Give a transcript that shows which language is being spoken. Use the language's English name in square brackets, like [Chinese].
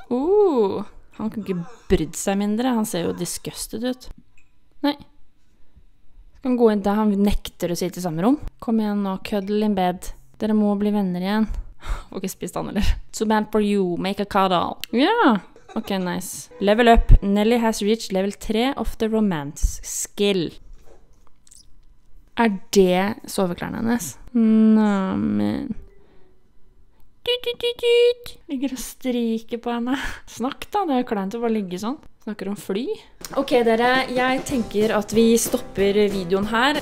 [Norwegian] Han kan ikke brydde seg mindre. Han ser jo disgusted ut. Nei. Skal han gå inn der han nekter å sitte i samme rom? Kom igjen nå, [English] cuddle in bed. [Norwegian] Dere må bli venner igjen. Får ikke spist han heller. [English] Too bad for you, make a cuddle. Yeah! Ok, nice. Level up. Nelly has reached level 3 of the romance skill. [Norwegian] Er det soveklærne hennes? Nå, men... Ligger og striker på henne. Snakk da, det er jo klant å bare ligge sånn. Snakker om fly. Ok dere, jeg tenker at vi stopper videoen her.